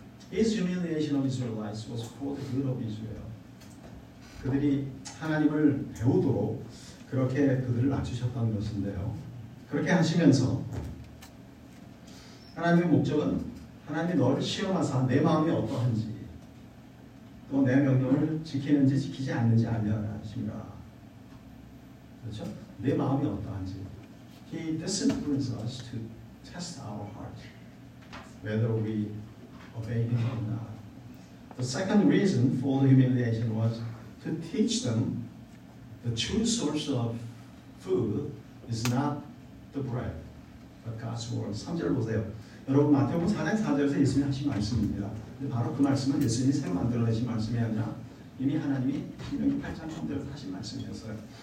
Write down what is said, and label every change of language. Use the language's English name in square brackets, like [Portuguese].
[English] His humiliation of Israelites was for the good of Israel. [Korean] 그들이 하나님을 배우도록 그렇게 그들을 낮추셨다는 것인데요. 그렇게 하시면서 하나님의 목적은 하나님이 너를 시험하사 내 마음이 어떠한지 또 내 명령을 지키는지 지키지 않는지 알려라 하십니다. 그렇죠? 내 마음이 어떠한지. [English] He disciplines us to test our heart, whether we obey him or not. The second reason for the humiliation was to teach them the true source of food is not the bread, but God's word. [Korean] 3절 보세요. 여러분 마태복음 4장 4절에서 예수님이 하신 말씀입니다. 바로 그 말씀은 예수님이 새로 만들어내신 말씀이 아니라 이미 하나님이 신명기 8장 3절에서 하신 말씀이었어요.